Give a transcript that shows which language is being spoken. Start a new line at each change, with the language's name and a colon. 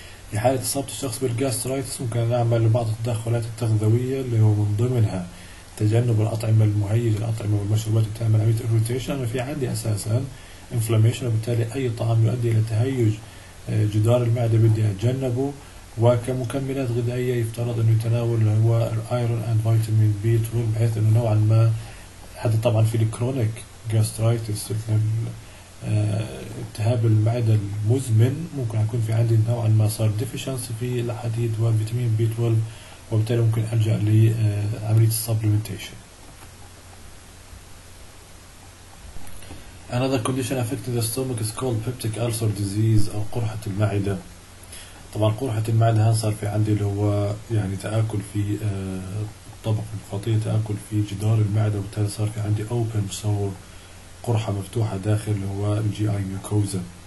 Arabic: في حالة إصابة الشخص بالجاسترايتس ممكن نعمل لبعض التدخلات التغذوية اللي هو من ضمنها تجنب الأطعمة المهيج الأطعمة والمشروبات اللي تعمل عملية irritation أنا في عندي أساسا inflammation وبالتالي أي طعام يؤدي إلى تهيج جدار المعدة بدي أتجنبه وكمكملات غذائية يفترض أن يتناول اللي هو الأيرون أند فيتامين بي 12 بحيث أنه نوعا ما حتى طبعا في الكرونيك gastritis التهاب المعدة المزمن، ممكن يكون في عندي نوعا ما صار deficiency في الحديد وفيتامين B12، وبالتالي ممكن ألجأ لعملية supplementation.
English: Another condition affecting the stomach is called peptic ulcer disease
Arabic: أو قرحة المعدة. طبعا قرحة المعدة هان صار في عندي اللي هو يعني تآكل في الطبق الفطية، تآكل في جدار المعدة، وبالتالي صار في عندي
English: open sore،
Arabic: قرحة مفتوحة داخل اللي هو الجي اي ميوكوزا.